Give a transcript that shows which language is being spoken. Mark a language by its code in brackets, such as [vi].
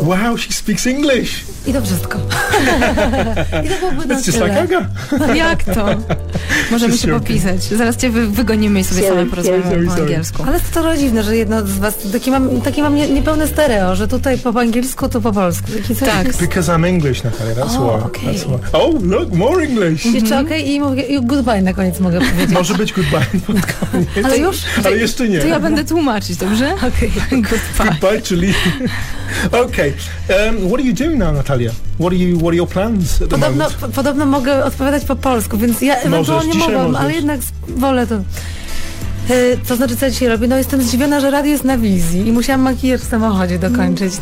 [en] Wow, she speaks English. [pl] I to wszystko. [en] It's just like Aga. [pl] Jak to? Możemy się popisać. Zaraz cię wygonimy i sobie same porozmawiamy po angielsku. Ale to trochę dziwne, że jedno z was, taki mam niepełne stereo, że tutaj po angielsku, to po polsku. Tak. [en] Because I'm English, Natalia, that's why. Oh, look, more English. [pl] Jeszcze okej i mówię, goodbye na koniec mogę powiedzieć. Może być goodbye na koniec. Ale już? Ale jeszcze nie. To ja będę tłumaczyć, dobrze? [en] Okej. Goodbye. Goodbye, czyli... Okay. What are you doing now, Natalia? What are your plans at the moment? [pl] Podobno mogę odpowiadać po polsku, więc ja ewentualnie mogę, ale jednak wolę to. To znaczy, co ja dzisiaj robię? No jestem zdziwiona, że radio jest na wizji i musiałam makijaż w samochodzie dokończyć.